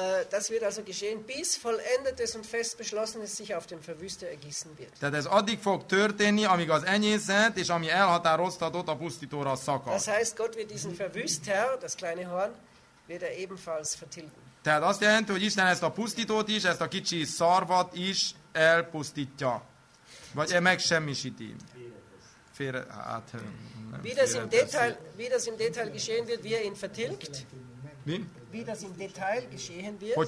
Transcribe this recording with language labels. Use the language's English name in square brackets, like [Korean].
[German] Das wird also geschehen, bis vollendetes und fest beschlossenes sich auf dem Verwüster ergießen wird. [Hungarian] Tehát ez addig fog történni, amíg az enyészet és ami elhatároztatott a pusztítóra szakad. [German] Das heißt, Gott wird diesen Verwüster, das kleine Horn, wird ebenfalls vertilgen. [Hungarian] Tehát azt jelenti, hogy Isten ezt a pusztítót is, ezt a kicsi szarvat is elpusztítja. Vagy megsemmisíti. [German] Wie das im Detail geschehen wird, wie er ihn vertilgt. [Hungarian] Mi? [German] Wie das im Detail geschehen wird.